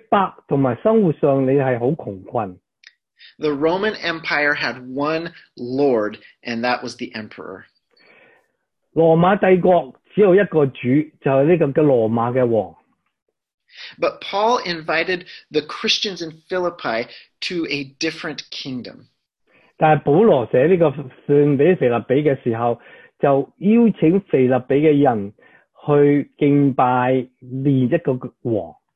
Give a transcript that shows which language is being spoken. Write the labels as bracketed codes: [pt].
[zh] 但是如果你不效忠罗马的王的时候,你会受到逼迫,和生活上你是很穷困。 [en] The Roman Empire had one lord, and that was the emperor. [zh] 罗马帝国只有一个主,就是这个罗马的王。 [en] But Paul invited the Christians in Philippi to a different kingdom. [zh] 但保罗写这个信给腓立比的时候,就邀请腓立比的人去敬拜另一个王。